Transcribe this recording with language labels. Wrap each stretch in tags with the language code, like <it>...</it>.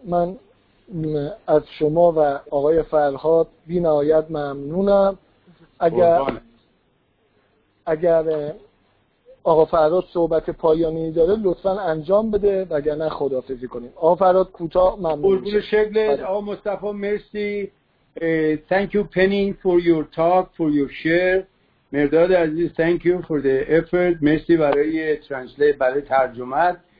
<fa>من از شما و آقای فرهاد بی نهایت ممنونم. اگر آقا فرهاد صحبت پایانی داره لطفا انجام بده، وگرنه خداحافظی کنیم. آقا فرهاد کوتاه ممنون شد. شکل آقا مصطفی مرسی.</fa> <en>Thank you Penny for your talk, for your share.</en> <fa>مرداد عزیز</fa> <en>thank you for the effort.</en> <fa>مرسی برای ترنسلیت، برای ترجمه.</fa>